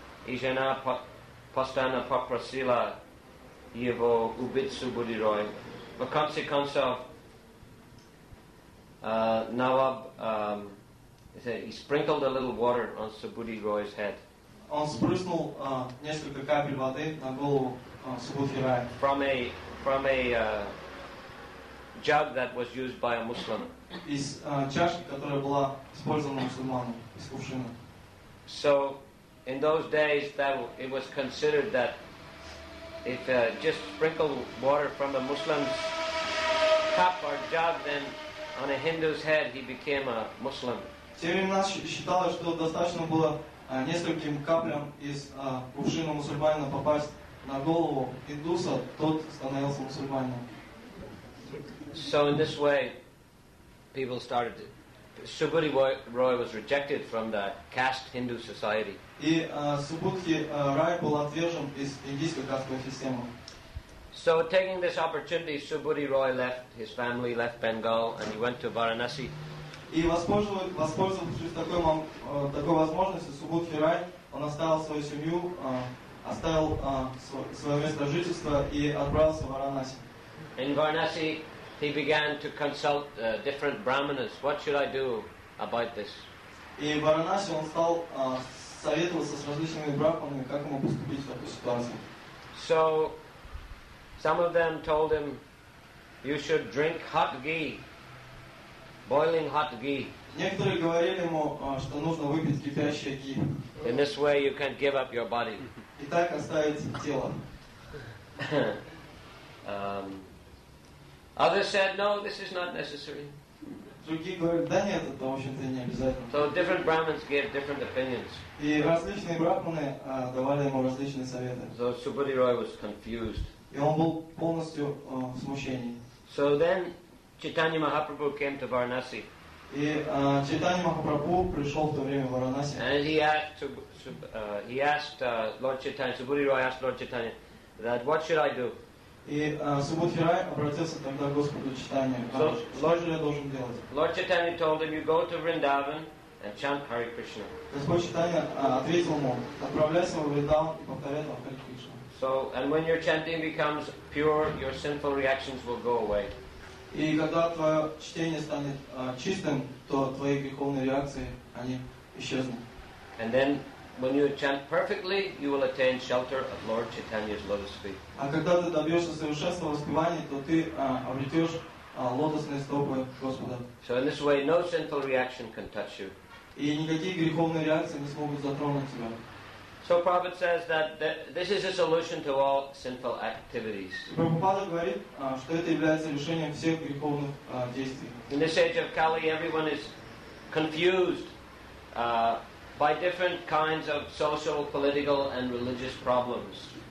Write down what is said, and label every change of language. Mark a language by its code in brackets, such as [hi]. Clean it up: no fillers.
[ru] И жена постоянно попросила его убить Субуди Рой. В конце концов, [en] Наваб he sprinkled a little water on Subuddhi Roy's head. [ru] Он сбрызнул несколько капель воды на голову Субуддхи Рой. [en] From a jug that was used by a Muslim. [ru] Из чашки, которая была использована мусульманом, из кувшина. [en] So in those days that it was considered that if just sprinkle water from a Muslim's cup or jug then on a Hindu's head he became a Muslim. [ru] Тем временем нас считалось, что достаточно было нескольким каплям из кувшина мусульманина попасть на голову индуса, тот становился мусульманином. [en] So in this way, people started Subhuti Roy was rejected from the caste Hindu society. [ru] И Субхути Рай был отвержен из индийской кастовой системы. [en] So taking this opportunity, Subhuti Roy left his family, left Bengal, and he went to Varanasi. [ru] И воспользовавшись такой возможностью, Субхути Рай он оставил свою семью, оставил свое место жительства и отправился в Варанаси. [en] In Varanasi, he began to consult different brahmanas. What should I do about this? [ru] И в Варанаси он стал советоваться с различными брахманами, как ему поступить в такой ситуации. [en] So some of them told him, you should drink hot ghee, boiling hot ghee. [ru] Некоторые говорили ему, что нужно выпить кипящее ги. [en] In this way you can give up your body. [ru] И так оставить тело. [en] Others said, no, this is not necessary. [ru] Другие говорят, да нет, это, в общем-то, не обязательно. [en] So different brahmins gave different opinions. [ru] И различные брахманы давали ему различные советы. [en] So Subhuti Roy was confused. [ru] И он был полностью в смущении. [en] So then Chaitanya Mahaprabhu came to Varanasi. [ru] И Чайтанья Махапрабху пришел в то время в Варанаси. [en] And he asked Lord Chaitanya, Subhuti Roy asked Lord Chaitanya, that what should I do? [ru] И Субхути Рай обратился тогда к Господу Чайтанья. Что же я должен делать? [en] Lord Chaitanya told him, you go to Vrindavan and chant Hare Krishna. [ru] Господь Чайтанья ответил ему, отправляйся в Вриндаван и повторяй там Hare Krishna. [en] So, and when your chanting becomes pure, your sinful reactions will go away. [ru] И когда твое чтение станет чистым, то твои греховные реакции, они исчезнут. [en] And then, when you chant perfectly, you will attain shelter of Lord Chaitanya's lotus feet. [ru] А когда ты добьешься совершенства воспевания, то ты обретешь лотосные стопы Господа. [en] So in this way, no sinful reaction can touch you. [ru] И никакие греховные реакции не смогут затронуть тебя. [en] So Prabhupada says that this is a solution to all sinful activities. [ru] Prabhupada говорит, что это является решением всех греховных действий. [en] In this age of Kali, everyone is confused by different kinds of social, political, and religious problems.